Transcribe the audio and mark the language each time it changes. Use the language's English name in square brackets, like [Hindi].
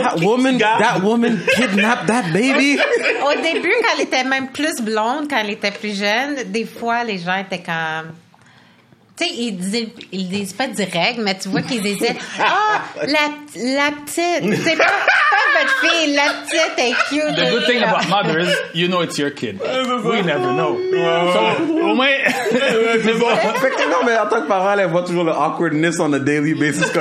[English] that woman kidnapped that baby. [French] Au début, quand elle était même plus blonde, quand elle était plus jeune, des fois les gens étaient comme, tu sais, ils disent pas direct, mais tu vois qu'ils disaient, oh, la petite, c'est pas votre fille, la petite est cute. [English] The good thing about mothers, you know it's your kid. We never know. So, [French] au moins, c'est bon. Fait que non, mais en tant que parent, elle voit toujours l'awkwardness [English] on a daily basis [French] quand